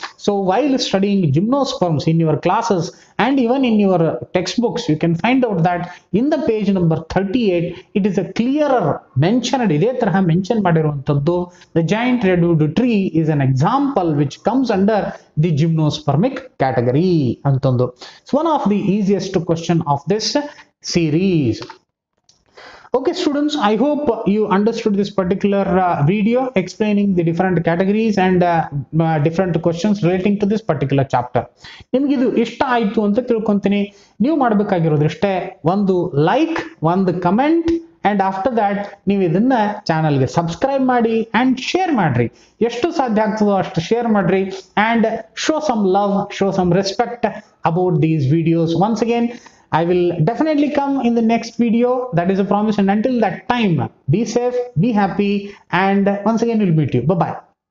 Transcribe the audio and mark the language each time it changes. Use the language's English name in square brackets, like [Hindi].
[English] so while studying gymnosperms in your classes and even in your text books you can find out that in the page number 38 it is a clearer mentioned [Kannada] ಇದೇ ತರಹ mention ಮಾಡಿರುವಂಥದ್ದು [English] The giant red wood tree is an example which comes under the gymnospermic category ಅಂತಂದು. So one of the easiest question of this series. Okay students, I hope you understood this particular video explaining the different categories and different questions relating to this particular chapter. [Kannada] ನಿಮಗೆ ಇದು ಇಷ್ಟ ಆಯ್ತು ಅಂತ ತಿಳ್ಕೊಂತೀನಿ. ನೀವು ಮಾಡಬೇಕಾಗಿರೋದು ಇಷ್ಟೇ, ಒಂದು ಲೈಕ್ ಒಂದು ಕಮೆಂಟ್ [English] and after that [Kannada] ನೀವು ಇದನ್ನು ಚಾನಲ್ಗೆ ಸಬ್ಸ್ಕ್ರೈಬ್ ಮಾಡಿ ಆ್ಯಂಡ್ ಶೇರ್ ಮಾಡಿರಿ. ಎಷ್ಟು ಸಾಧ್ಯ ಆಗ್ತದೋ ಅಷ್ಟು ಶೇರ್ ಮಾಡಿರಿ [English] And show some love, show some respect about these videos. Once again I will definitely come in the next video. That is a promise. And until that time, be safe, be happy. And once again, we'll meet you. Bye-bye.